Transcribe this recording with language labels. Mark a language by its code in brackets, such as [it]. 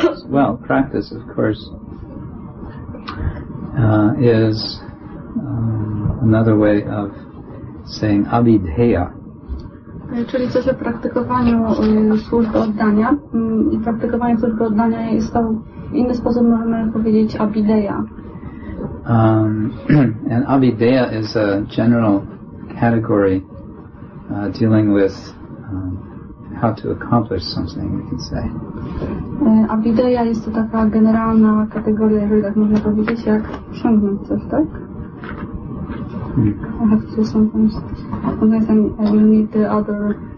[en] Well, practice, of course, is another way of saying abhidheya. [pl] Czyli coś o praktykowaniu służby oddania. I praktykowanie służby oddania jest to, w inny sposób możemy powiedzieć, abhideya. [en] And abhideya is a general category dealing with how to accomplish something, we can say. [pl] Abhideya jest to taka generalna kategoria, jeżeli tak można powiedzieć, jak osiągnąć coś, tak? [en] I have to sometimes unless I will need the other.